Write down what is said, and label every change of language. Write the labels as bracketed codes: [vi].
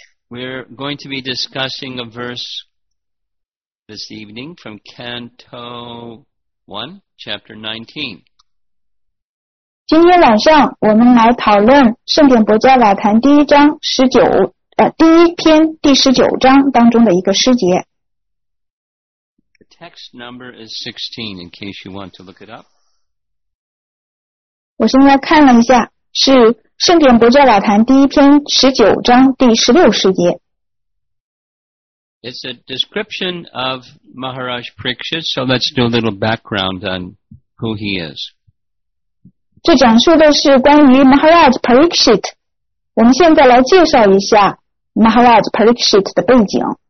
[en] We're going to be discussing a verse this evening from Canto 1, Chapter 19. [zh] 今天晚上我们来讨论圣典伯加瓦坛第一篇第十九章当中的一个诗节。 [en] The text number is 16, in case you want to look it up. [zh] 我现在看了一下，是圣典伯爵老坛第一篇19章第16十节。 [en] It's a description of Maharaj Parikshit, so let's do a little background on who he is. [zh] 这讲述的是关于 Maharaj Parikshit。我们现在来介绍一下 Maharaj Parikshit 的背景。